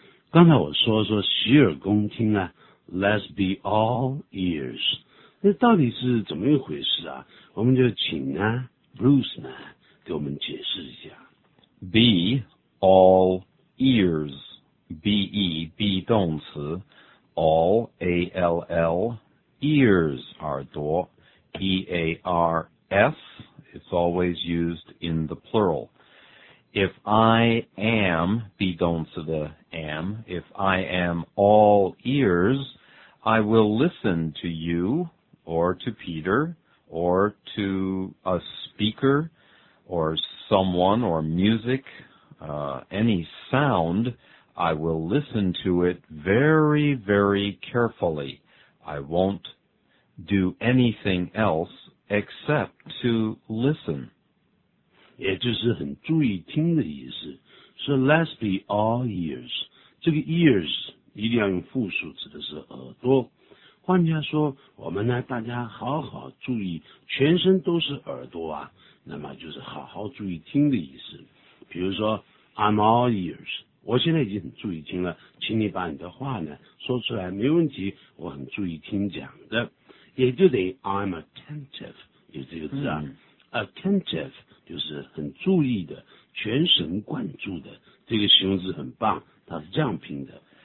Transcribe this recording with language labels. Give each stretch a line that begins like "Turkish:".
Chinese: 刚才我说洗耳恭听啊，
English: Let's be all ears.
Chinese: 那到底是怎么一回事啊？我们就请啊 Bruce 呢给我们解释一下。
English: Be all ears. B-E, be 动词 All, A-L-L, ears, 耳朵。 E-A-R-S, it's always used in the plural. If I am, be don't to the am, if I am all ears, I will listen to you, or to Peter, or to a speaker, or someone, or music, any sound, I will listen to it very, very carefully. I won'tdo anything else except to listen.
Chinese: 也就是很注意听的意思。
English: So let's be all ears.
Chinese: 这个 ears 一定要用复数指的是耳朵。换句话说，我们呢，大家好好注意，全身都是耳朵啊，那么就是好好注意听的意思。比如说
English: I'm all ears.
Chinese: 我现在已经很注意听了，请你把你的话呢说出来，没问题，我很注意听讲的。也就得
English: I'm attentive
Chinese: 有这个字啊、attentive 就是很注意的全神贯注的，这个形容词很棒，它是这样拼的